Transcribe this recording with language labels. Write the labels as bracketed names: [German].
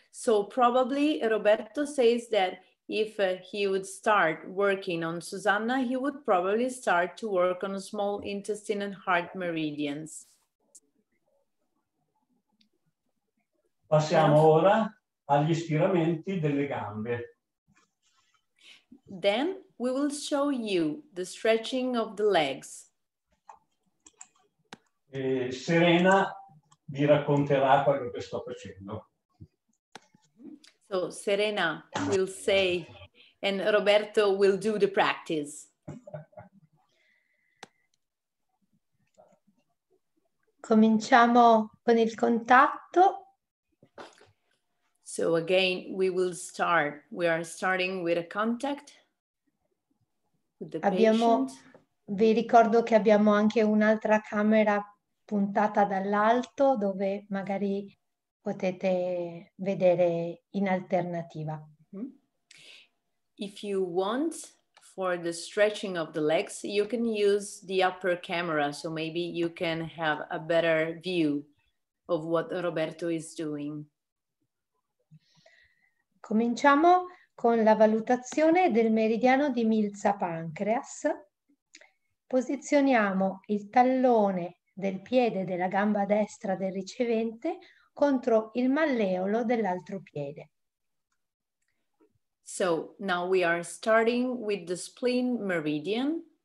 [English] So probably Roberto says that if he would start working on Susanna, he would probably start to work on small intestine and heart meridians. [Italian] Passiamo ora agli stiramenti delle gambe. [English] Then we will show you the stretching of the legs. [Italian] E Serena vi racconterà quello che sto facendo. [English] So Serena will say and Roberto will do the practice. [Italian] Cominciamo con il contatto. [English] So again we will start. We are starting with a contact with the patient. [Italian] Vi ricordo che abbiamo anche un'altra camera puntata dall'alto dove magari potete vedere in alternativa. [English] If you want for the stretching of the legs, you can use the upper camera, so maybe you can have a better view of what Roberto is doing. [Italian] Cominciamo con la valutazione del meridiano di Milza Pancreas. Posizioniamo il tallone del piede della gamba destra del ricevente contro il malleolo dell'altro piede. [English] So now we are starting with the spleen meridian.